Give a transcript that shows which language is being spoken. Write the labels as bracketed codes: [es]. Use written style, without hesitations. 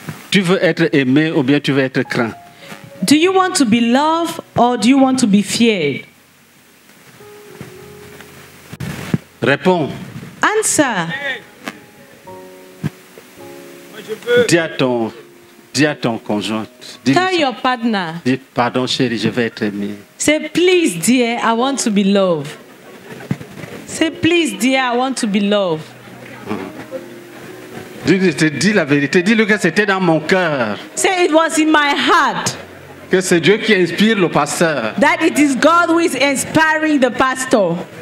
[fr] Tu veux être aimé ou bien tu veux être craint? [en] Do you want to be loved or do you want to be feared? [fr] Réponds. [en] Answer. [fr] Dis à ton conjoint. [en] Tell your partner. [fr] Dis pardon chérie, je veux être aimé. [en] Say please dear, I want to be loved. Say please dear, I want to be loved. [fr] Je te dis la vérité, dis-lui que c'était dans mon cœur. [en] Say it was in my heart. [fr] Que c'est Dieu qui inspire le pasteur. [en] That it is God who is inspiring the pastor.